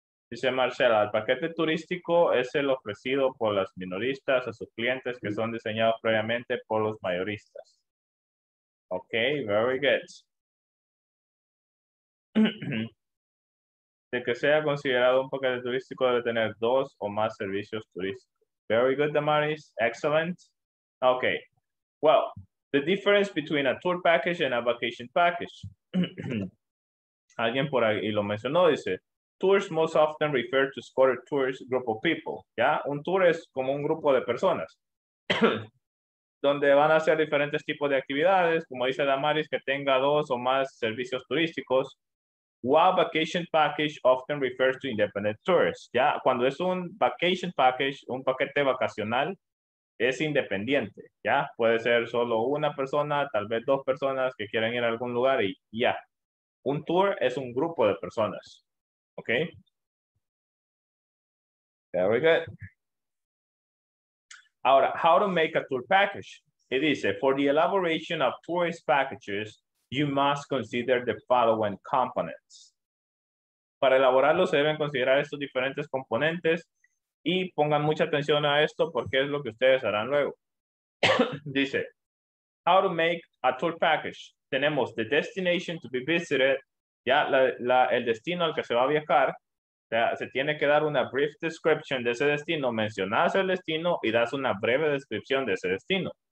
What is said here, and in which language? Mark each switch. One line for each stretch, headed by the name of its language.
Spanish: Dice Marcela, el paquete turístico es el ofrecido por las minoristas a sus clientes que son diseñados previamente por los mayoristas.
English: Ok, very good.
Spanish: De que sea considerado un paquete turístico debe tener dos o más servicios turísticos.
English: Very good, Damaris. Excellent. Ok. Well, the difference between a tour package and a vacation package.
Spanish: Alguien por ahí lo mencionó, dice.
English: Tours most often refer to scattered tours, group of people. ¿Ya?
Spanish: Un tour es como un grupo de personas donde van a hacer diferentes tipos de actividades, como dice Damaris, que tenga dos o más servicios turísticos.
English: While vacation package often refers to independent tours.
Spanish: ¿Ya? Cuando es un vacation package, un paquete vacacional, es independiente. ¿Ya? Puede ser solo una persona, tal vez dos personas que quieren ir a algún lugar y ya. Un tour es un grupo de personas. Okay.
English: Very good. Ahora, how to make a tour package? It is, for the elaboration of tourist packages, you must consider the following components.
Spanish: Para elaborarlo, se deben considerar estos diferentes componentes y pongan mucha atención a esto porque es lo que ustedes harán luego.
English: Dice, how to make a tour package? Tenemos the destination to be visited.
Spanish: Ya, el destino al que se va a viajar, o sea, se tiene que dar una
English: brief description
Spanish: de ese destino. Mencionas el destino y das una breve descripción de ese destino.